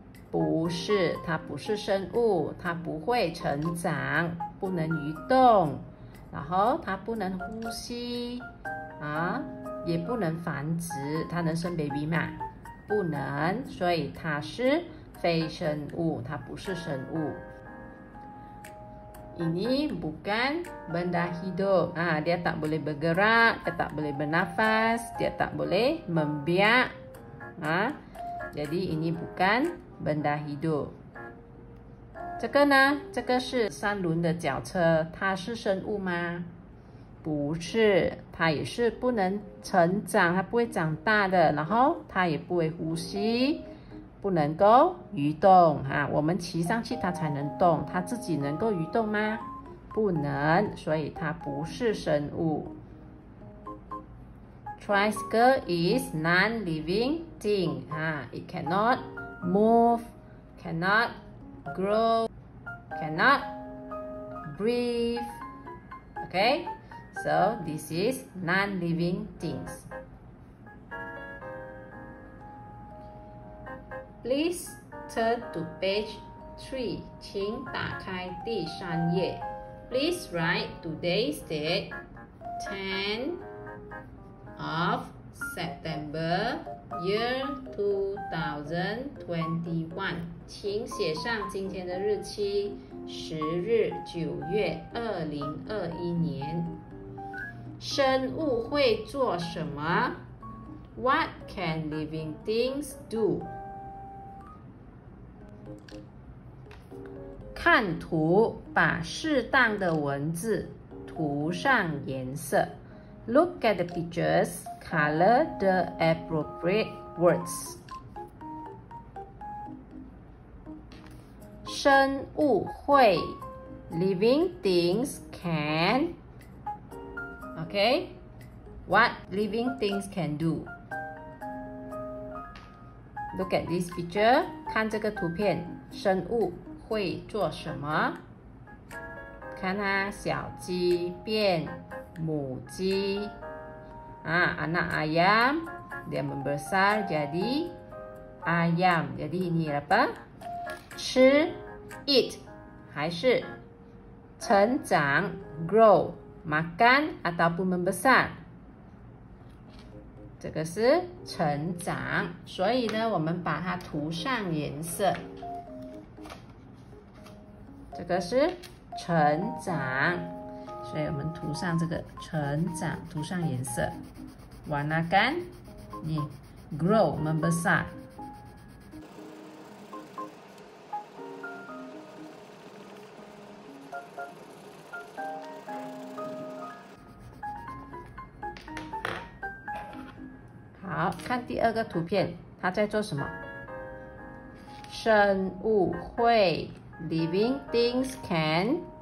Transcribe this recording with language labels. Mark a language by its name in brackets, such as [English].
[Chinese] 不是，它不是生物，它不会成长，不能移动，然后它不能呼吸啊，也不能繁殖。它能生 baby 吗？不能，所以它是非生物，它不是生物。 [Malay] Ini bukan benda hidup. Dia tak boleh bergerak, dia tak boleh bernafas, dia tak boleh membiak. Jadi ini bukan benda hidup. [Chinese] 这个呢？这个是三轮的脚车，它是生物吗？不是，它也是不能成长，它不会长大的，然后它也不会呼吸。不能够移动啊，我们骑上去它才能动，它自己能够移动吗？不能，所以它不是生物。 [English] Tricycle is non-living thing. It cannot move, cannot grow, cannot breathe. Okay, so this is non-living things. Please turn to page 3. [Chinese] 请打开第三页。 [English] Please write today's date, 10 of September, Year 2021， [Chinese] 请写上今天的日期，十日九月2021年。生物会做什么？ [English] What can living things do？ [Chinese] 看图，把适当的文字涂上颜色。 [English] Look at the pictures, color the appropriate words. [Chinese] 生物会 [English] living things can. Okay, what living things can do? Look at this picture. [Chinese] 看这个图片，生物会做什么？看它，小鸡变母鸡啊， [Malay] anak ayam dia membesar jadi ayam， jadi ini apa？ [Chinese] 吃 [English] eat [Chinese] 还是成长 [English] grow [Malay] makan ataupun membesar， [Chinese] 这个是成长，所以呢我们把它涂上颜色，这个是成长，所以我们涂上这个成长，涂上颜色。 [Malay] Warna kan? Ni, grow, membesar. [Chinese] Baik, 看第二个图片，它在做什么？生物会 [English] living things can.